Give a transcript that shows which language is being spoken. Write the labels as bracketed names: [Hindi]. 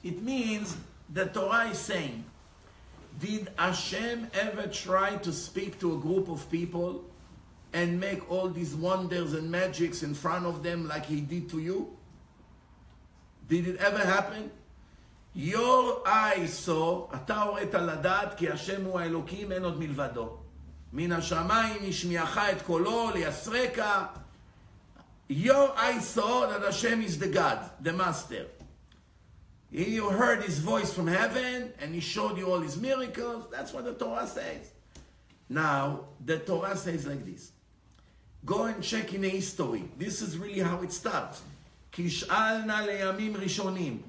[English] It means the Torah is saying, did Hashem ever try to speak to a group of people and make all these wonders and magics in front of them like he did to you? Did it ever happen? Your eyes saw, [Hebrew] אתה הורית לדעת כי השם הוא האלוקים, אין עוד מלבדו. מן השמיים ישמיעך את קולו, ליסרקה. [English] Your eyes saw that Hashem is the God, the Master. You heard His voice from heaven and He showed you all His miracles. That's what the Torah says. Now, the Torah says like this. Go and check in the history. This is really how it starts. [Hebrew] Kishalna leyamim rishonim.